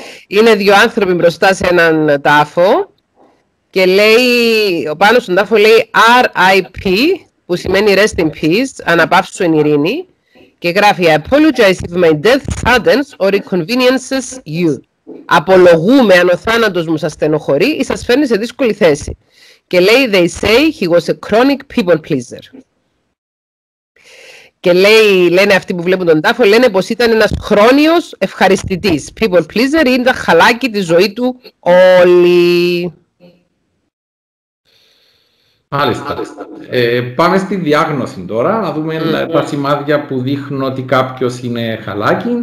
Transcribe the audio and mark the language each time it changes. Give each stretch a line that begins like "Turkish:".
Greek: Είναι δύο άνθρωποι μπροστά σε έναν τάφο και λέει, ο πάνω στον τάφο λέει RIP, που σημαίνει
English: rest in peace,
Greek: αναπαύσου εν ειρήνη, και γράφει
English: I apologize if my death saddens or inconveniences you.
Greek: Απολογούμε αν ο θάνατος μου σας στενοχωρεί ή σας φέρνει σε δύσκολη θέση. Και λέει
English: they say he was a chronic people pleaser.
Greek: Και λέει, λένε αυτοί που βλέπουν τον τάφο, λένε πως ήταν ένας χρόνιος ευχαριστητής. People pleaser ήταν χαλάκι τη ζωή του όλη. Μάλιστα. Πάμε στη διάγνωση τώρα, να δούμε τα σημάδια που δείχνουν ότι κάποιος είναι χαλάκι.